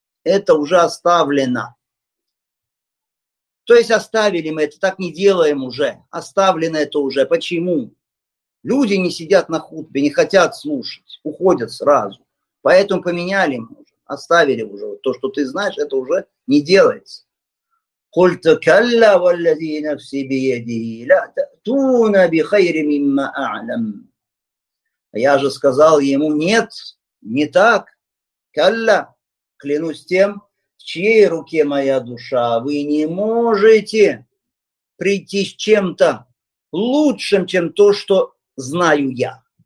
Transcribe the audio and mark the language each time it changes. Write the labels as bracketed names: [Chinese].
[Russian] Это уже оставлено». То есть оставили мы это, так не делаем уже. Оставлено это уже. Почему? Люди не сидят на хутбе, не хотят слушать, уходят сразу. Поэтому поменяли мы уже, оставили уже. То, что ты знаешь, это уже не делается. [Arabic] قلت كلا والذي نفسي بيدي لا تأتون بخير مما أعلم. [Russian] Я же сказал ему: нет, не так. كلا, клянусь тем, в чьей руке моя душа, вы не можете прийти с чем-то лучшим, чем то, что знаю я.